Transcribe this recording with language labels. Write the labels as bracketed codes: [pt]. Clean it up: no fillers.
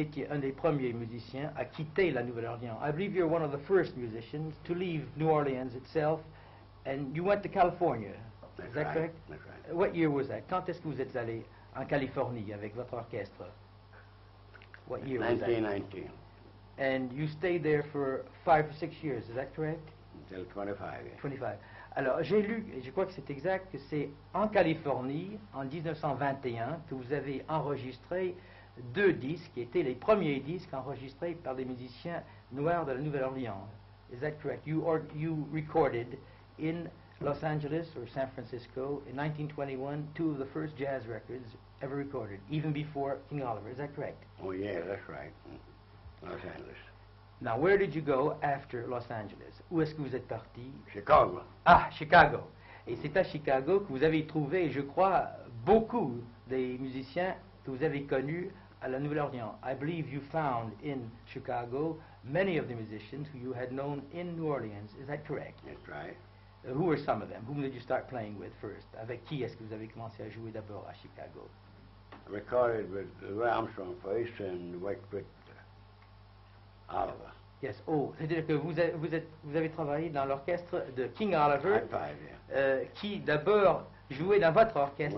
[fr] un des premiers musiciens à quitter la Nouvelle-Orléans. [en] I believe you're one of the first musicians to leave New Orleans itself, and you went to California. That's is that right, correct? That's right. What year was that? [fr] Quand est-ce que vous êtes allé en Californie avec votre orchestre? [en] What year 1919. And you stayed there for 5 or 6 years, is that correct? Until 25. Yeah. 25. [fr] Alors, j'ai lu, et je crois que c'est exact, que c'est en Californie, en 1921, que vous avez enregistré deux disques, qui étaient les premiers disques enregistrés par des musiciens noirs de la Nouvelle-Orléans. [en] Is that correct? You recorded in Los Angeles or San Francisco in 1921 two of the first jazz records ever recorded, even before King Oliver. Is that correct? Oh, yeah, that's right. Los Angeles. Now, where did you go after Los Angeles? [fr] Où est-ce que vous êtes parti? [en] Chicago. Ah, Chicago. [fr] Et c'est à Chicago que vous avez trouvé, je crois, beaucoup des musiciens que vous avez connus à la Nouvelle-Orléans. [en] I believe you found in Chicago many of the musicians who you had known in New Orleans. Is that correct? That's right. Who were some of them? Whom did you start playing with first? [fr] Avec qui est-ce que vous avez commencé à jouer d'abord à Chicago? [en] Recorded with Louis Armstrong first and Wakefield. Oliver. Yes. [fr] Oh, c'est-à-dire que vous avez travaillé dans l'orchestre de King Oliver, qui d'abord jouait dans votre orchestre